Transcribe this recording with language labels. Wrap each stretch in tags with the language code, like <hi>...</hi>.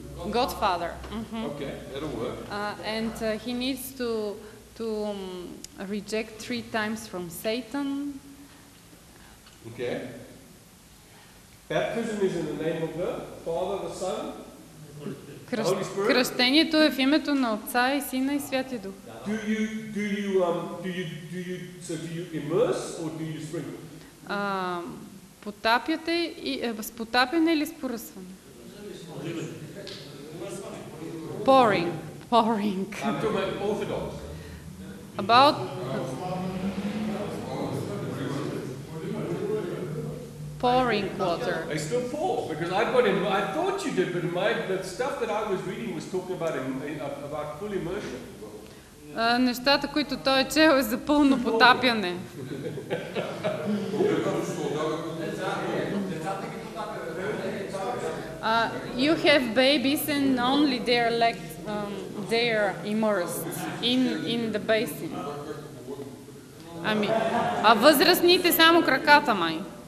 <en>Godfather. Mm-hmm. Okay, that'll work. He needs to reject 3 times from Satan. Okay. Baptism is in the name of the Father, the Son, Holy Spirit.</en> <bg>Кръщението е в името на Отца и Сина и Святия Дух.</bg> <en>Do you immerse or do you sprinkle?</en> <bg>Потапяте и с потапяне или с поръсване?</bg> <en>Pouring. I'm talking about Orthodox. Pouring water. I still pour because I thought you did, but the stuff that I was reading was talking about full immersion.</en> <bg>Нещата, които той е чел, е за пълно потапяне.</bg> <en>You have babies and only their legs, they are immersed in the basin.</en> <bg>А възрастните само краката май.</bg>